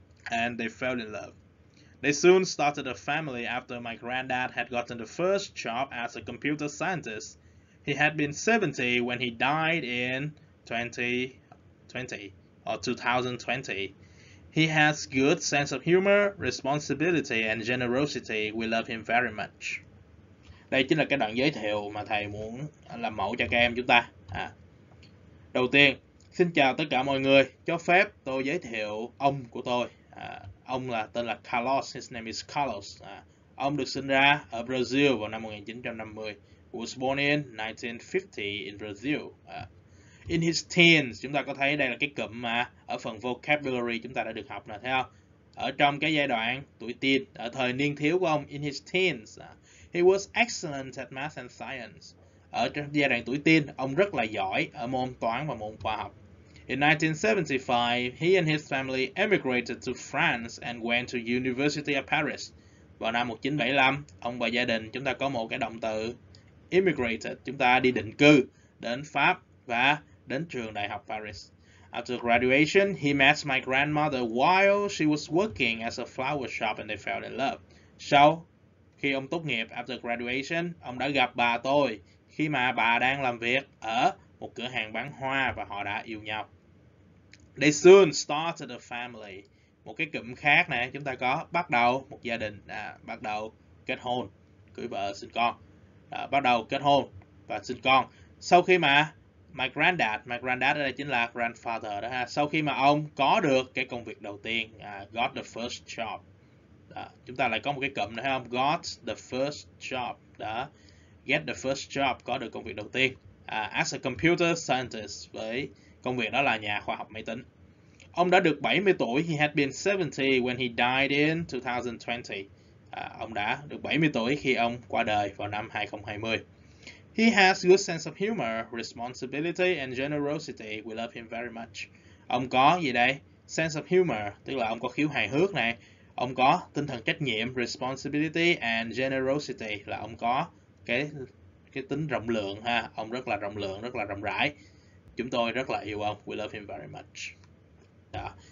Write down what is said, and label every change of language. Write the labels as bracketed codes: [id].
[en] and they fell in love. They soon started a family after my granddad had gotten the first job as a computer scientist. He had been 70 when he died in 2020 or 2020. He has good sense of humor, responsibility and generosity. We love him very much. [vi] Đây chính là cái đoạn giới thiệu mà thầy muốn làm mẫu cho các em chúng ta. À. Đầu tiên, xin chào tất cả mọi người. Cho phép tôi giới thiệu ông của tôi. À, ông là tên là Carlos. [en] His name is Carlos. [vi] À, ông được sinh ra ở Brazil vào năm 1950. [en] He was born in 1950 in Brazil. [vi] À, [en] in his teens, [vi] chúng ta có thấy đây là cái cụm mà ở phần vocabulary chúng ta đã được học nè, thấy không? Ở trong cái giai đoạn tuổi teen, ở thời niên thiếu của ông, [en] in his teens. À, he was excellent at math and science. [vi] Ở trong giai đoạn tuổi teen, ông rất là giỏi ở môn toán và môn khoa học. [en] In 1975, he and his family emigrated to France and went to University of Paris. [vi] Vào năm 1975, ông và gia đình chúng ta có một cái động từ emigrated, chúng ta đi định cư đến Pháp và đến trường Đại học Paris. [en] After graduation, he met my grandmother while she was working as a flower shop and they fell in love. [vi] Sau khi ông tốt nghiệp, [en] after graduation, [vi] ông đã gặp bà tôi khi mà bà đang làm việc ở một cửa hàng bán hoa và họ đã yêu nhau. [en] They soon started a family. [vi] Một cái cụm khác này, chúng ta có bắt đầu một gia đình, à, bắt đầu kết hôn, cưới vợ, sinh con. À, bắt đầu kết hôn và sinh con. Sau khi mà my granddad ở đây chính là grandfather đó ha. Sau khi mà ông có được cái công việc đầu tiên, [en] got the first job. [vi] Đó, chúng ta lại có một cái cụm nữa ha, [en] got the first job. [vi] Đó, [en] get the first job, [vi] có được công việc đầu tiên. [en] As a computer scientist, [vi] với công việc đó là nhà khoa học máy tính. Ông đã được 70 tuổi, [en] he had been 70 when he died in 2020. [vi] Ông đã được 70 tuổi khi ông qua đời vào năm 2020. [en] He has good sense of humor, responsibility and generosity. We love him very much. [vi] Ông có gì đây? [en] Sense of humor, [vi] tức là ông có khiếu hài hước này. Ông có tinh thần trách nhiệm, [en] responsibility and generosity, [vi] là ông có cái tính rộng lượng ha. Ông rất là rộng lượng, rất là rộng rãi. Chúng tôi rất là yêu ông. [en] We love him very much. [vi] Đó.